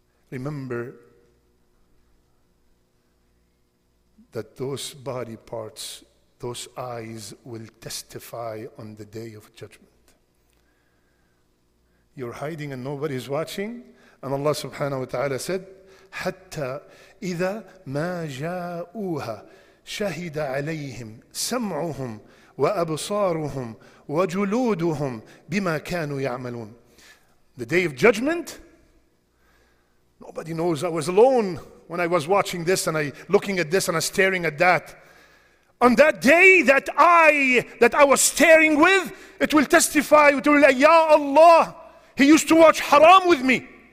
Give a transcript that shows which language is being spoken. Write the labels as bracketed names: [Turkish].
[English] Remember that those body parts, those eyes will testify on the day of judgment. You're hiding and nobody is watching. And Allah subhanahu wa ta'ala said, [Arabic] حَتَّى إِذَا مَا جَاءُوهَا شَهِدَ عَلَيْهِمْ سَمْعُهُمْ وَأَبْصَارُهُمْ وَجُلُودُهُمْ بِمَا كَانُوا يَعْمَلُونَ. [English] The day of judgment, nobody knows. I was alone when I was watching this and I looking at this and I staring at that. On that day, that eye that I was staring with, it will testify, it will say, Ya Allah, he used to watch haram with me.